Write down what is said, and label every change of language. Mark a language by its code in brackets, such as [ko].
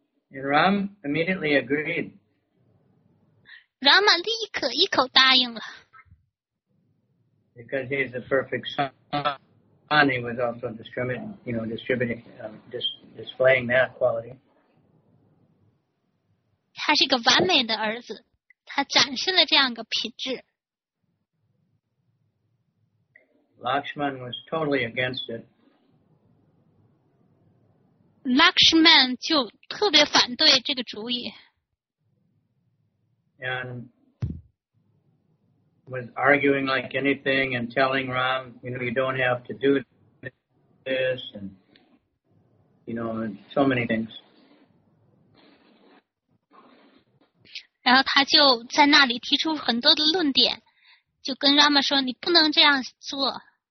[en] And Ram immediately agreed. [zh] Rama 立刻一口答应了。 [en] Because he is the perfect son, he was also displaying that quality. [zh] 他是一个完美的儿子，他展示了这样一个品质。 [en] Lakshman was totally against it. [zh] Lakshman 就特别反对这个主意。 [en] And was arguing like anything and telling Ram, you know, you don't have to do this and, you know, so many things. [zh] 然后他就在那里提出很多的论点，就跟 Rama 说你不能这样做。